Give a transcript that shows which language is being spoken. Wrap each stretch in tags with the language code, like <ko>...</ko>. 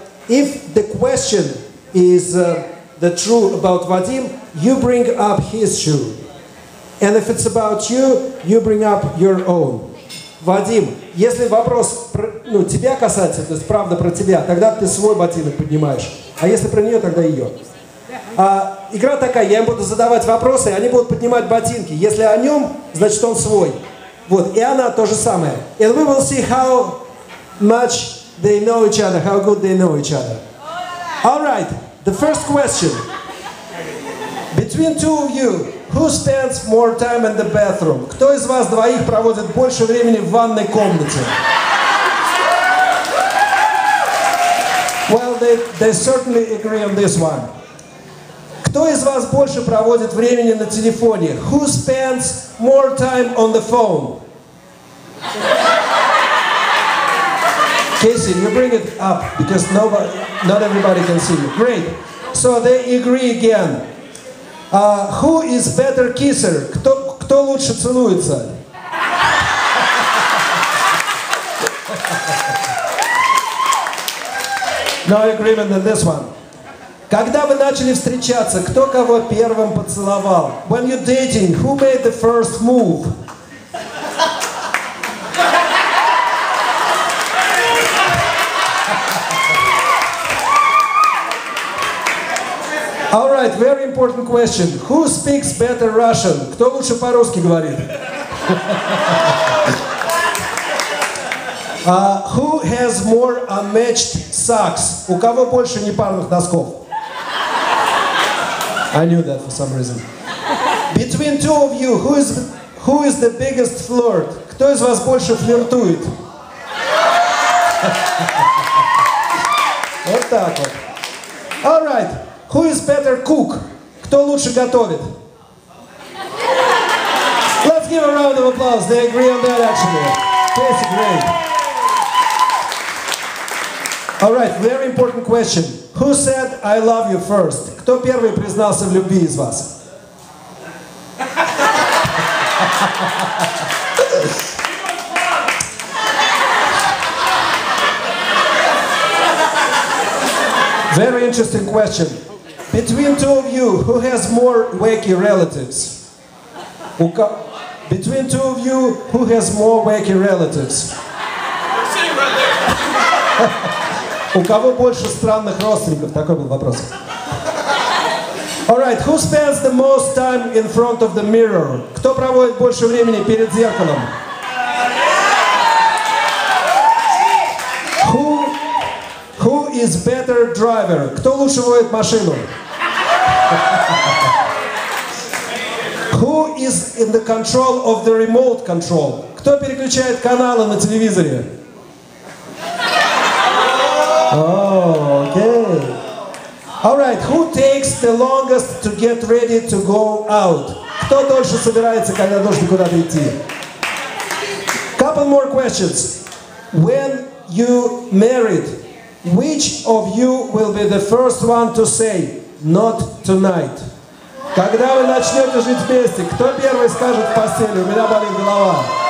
<en>If the question is the true about Vadim, you bring up his shoe. And if it's about you, you bring up your own.</en> <ru>Вадим, если вопрос ну, тебя касается, то есть правда про тебя, тогда ты свой ботинок поднимаешь. А если про нее, тогда ее. Игра такая, я им буду задавать вопросы, они будут поднимать ботинки. Если о нем, значит он свой. Вот, и она то же самое.</ru> <en>And we will see how much they know each other, how good they know each other. All right, the first question. Between two of you, who spends more time in the bathroom?</en> <ru>Кто из вас двоих проводит больше времени в ванной комнате?</ru> <en>Well, they certainly agree on this one.</en> <ru>Кто из вас больше проводит времени на телефоне?</ru> <en>Who spends more time on the phone? Casey, you bring it up because nobody, not everybody can see you. Great. So they agree again. Who is better kisser?</en> <ru>Кто лучше целуется?</ru> <en>No agreement on this one.</en> <ru>Когда вы начали встречаться, кто кого первым поцеловал?</ru> <en>When you're dating, who made the first move? All right, very important question. Who speaks better Russian?</en> <ru>Кто лучше по-русски говорит?</ru> <en>Who has more unmatched socks?</en> <ru>У кого больше непарных носков?</ru> <en>I knew that for some reason. Between two of you, who is the biggest flirt?</en> <ru>Кто из вас больше флиртует? Вот так вот.</ru> <en>All right. Who is better cook?</en> <ru>Кто лучше готовит?</ru> <en>Let's give a round of applause. They agree on that actually. That's great. All right, very important question. Who said I love you first?</en> <ru>Кто первый признался в любви из вас?</ru> <en>Very interesting question. Between two of you, who has more wacky relatives? Between two of you, who has more wacky relatives? You're sitting right there.</en> <ru>У кого больше странных родственников? Такой был вопрос.</ru> <en>All right, who spends the most time in front of the mirror?</en> <ru>Кто проводит больше времени перед зеркалом?</ru> <en>Who is better driver?</en> <ru>Кто лучше водит машину?</ru> <en>Who is in the control of the remote control?</en> <ru>Кто переключает каналы на телевизоре?</ru> <en>Oh, okay. All right, who takes the longest to get ready to go out?</en> <ru>Кто дольше собирается, когда нужно куда-то идти?</ru> <en>Couple more questions. When you married, which of you will be the first one to say, not tonight?</en> <ru>Когда вы начнете жить вместе, кто первый скажет в постели, у меня болит голова?</ru>